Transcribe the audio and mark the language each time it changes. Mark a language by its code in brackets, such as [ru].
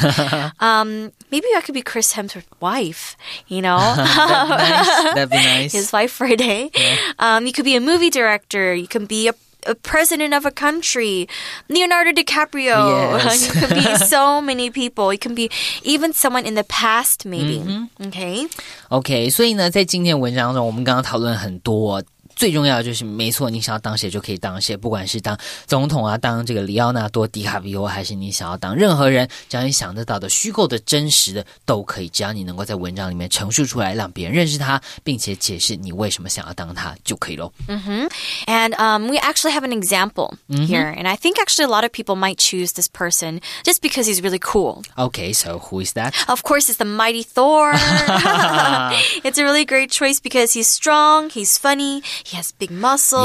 [en] Maybe I could be Chris Hemsworth's wife, you know? That'd be nice. His wife for a day. Yeah. You could be a movie director. You can be a president of a country. Leonardo DiCaprio. Yes. You could be so many people. You can be even someone in the past, maybe. Mm-hmm. Okay. Okay. [zh] 所以呢，在今天的文章中，我们刚刚讨论很多。最重要的就是，没错，你想要当谁就可以当谁，不管是当总统啊，当这个里奥纳多·迪卡比奥，还是你想要当任何人，只要你想得到的、虚构的、真实的都可以，只要你能够在文章里面陈述出来，让别人认识他，并且解释你为什么想要当他就可以咯。 [en] And we actually have an example here, and I think actually a lot of people might choose this person just because he's really cool. Okay, so who is that? Of course, it's the mighty Thor. It's a really great choice because he's strong, he's funny. He has big muscles.